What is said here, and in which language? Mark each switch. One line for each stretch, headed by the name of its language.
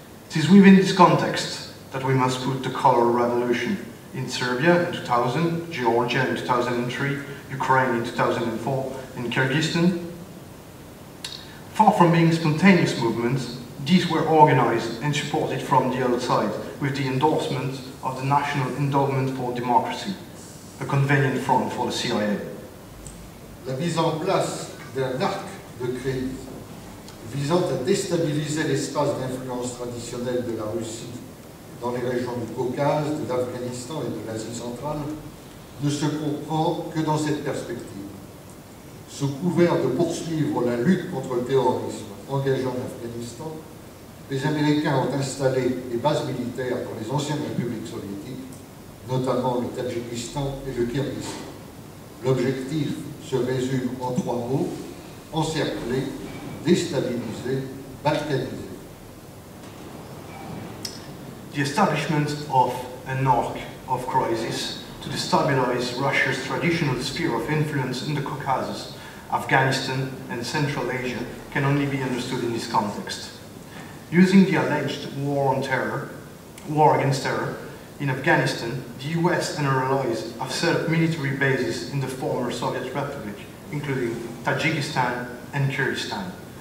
English: It is within this context that we must put the Color Revolution in Serbia in 2000, Georgia in 2003, Ukraine in 2004, and Kyrgyzstan. Far from being spontaneous movements, these were organized and supported from the outside with the endorsement of the National Endowment for Democracy, a convenient front for the CIA.
French: La mise en place d'un arc de crise visant à déstabiliser l'espace d'influence traditionnel de la Russie dans les régions du Caucase, de l'Afghanistan et de l'Asie centrale ne se comprend que dans cette perspective. Sous couvert de poursuivre la lutte contre le terrorisme engagé en Afghanistan, les Américains ont installé des bases militaires dans les anciennes républiques soviétiques, notamment le Tadjikistan et le Kyrgyzstan. L'objectif se résume en trois mots: encercler, déstabiliser, balkaniser.
English: The establishment of an arc of crisis to destabilize Russia's traditional sphere of influence in the Caucasus, Afghanistan and Central Asia can only be understood in this context. Using the alleged war against terror, in Afghanistan, the US and her allies have set up military bases in the former Soviet Republic, including Tajikistan and Kyrgyzstan.